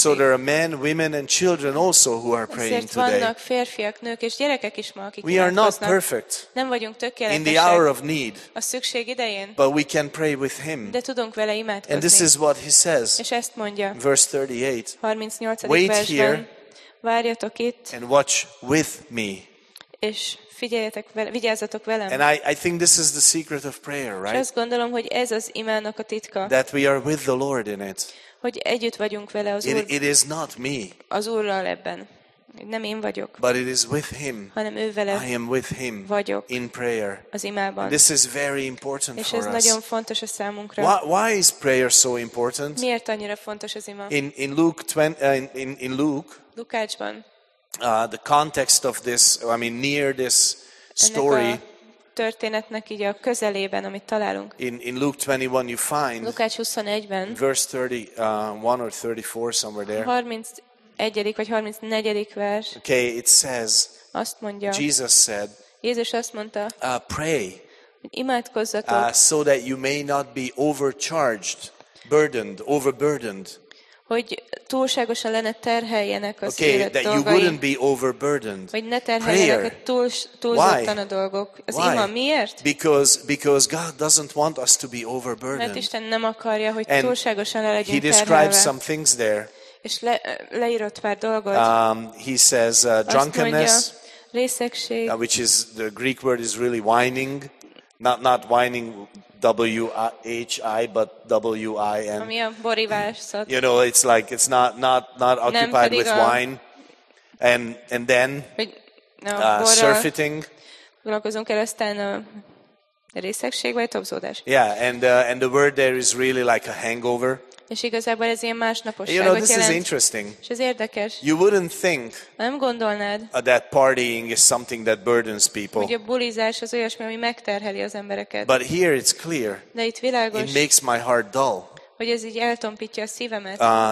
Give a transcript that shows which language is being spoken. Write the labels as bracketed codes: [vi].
[en] So there are men, women and children also who are praying [hu] ezért vannak [en] today. [hu] Férfiak, nők és gyerekek is ma, akik [en] we [hu] imádkoznak. [en] Are not perfect. [hu] Nem vagyunk tökéletesek. [en] In the hour of need. [hu] A szükség idején. [en] But we can pray with him. [hu] De tudunk vele imádkozni. [en] And this is what he says. [hu] És ezt mondja. [en] Verse 38. [hu] 38. [en] Wait [hu] versben, [en] here. [hu] Várjatok itt. [en] And watch with me. [hu] És figyeljetek vele, vigyázzatok velem. [en] And I think this is the secret of prayer, right? [hu] És azt gondolom, hogy ez az imának a titka. [en] That we are with the Lord in it. [hu] Hogy együtt vagyunk vele az Úrral. [en] It is not me. [hu] Az Úrral ebben. Nem én vagyok. [en] But it is with him. [hu] Hanem ő vele. [en] I am with him. [hu] Vagyok. [en] In prayer. [hu] Az imában. [en] And this is very important for us. [hu] És ez nagyon fontos a számunkra. [en] Why is prayer so important? [hu] Miért annyira fontos az ima? [en] In Luke 20, in Luke. [hu] Lukácsban. [en] The context of this, I mean, near this story. [hu] Ennek a történetnek így a közelében, amit találunk. [en] In Luke 21, you find. [hu] Lukács 21-ben. [en] Verse 31 or 34, somewhere there. [hu] 31. vagy 34. vers. [en] Okay, it says. [hu] Azt mondja. [en] Jesus said. [hu] Jézus azt mondta. [en] Pray. [hu] Imádkozzatok. [en] So that you may not be overcharged, overburdened. [hu] Hogy túlságosan le ne terheljenek az [en] okay, [hu] élet [en] that [hu] dolgai. [en] You wouldn't be overburdened. [hu] Hogy ne terheljenek túlzottan a dolgok. Az [en] why? [hu] Ima miért? [en] Because God doesn't want us to be overburdened. [hu] Mert Isten nem akarja, hogy [en] and [hu] túlságosan le legyünk terhelve. [en] He describes some things there. [hu] És leírott pár dolgot. [en] He says drunkenness, [hu] mondja, részegség, [en] which is the Greek word is really whining, not whining W-I-H-I, but W-I-N. [hu] Ami a borivás, szóval [en] you know, it's like it's not occupied with wine. And then surfeiting. [hu] Gondolkozunk el, aztán a részegség vagy tobzódás. [en] Yeah, and the word there is really like a hangover. [hu] És igazából ez ilyen másnaposságot jelent. [en] You know, this is interesting. [hu] És ez érdekes. [en] You wouldn't think. [hu] Nem gondolnád. [en] That partying is something that burdens people. [hu] Hogy a bulizás az olyasmi, ami megterheli az embereket. [en] But here it's clear. [hu] De itt világos. [en] It makes my heart dull. [hu] Hogy ez így eltompítja a szívemet.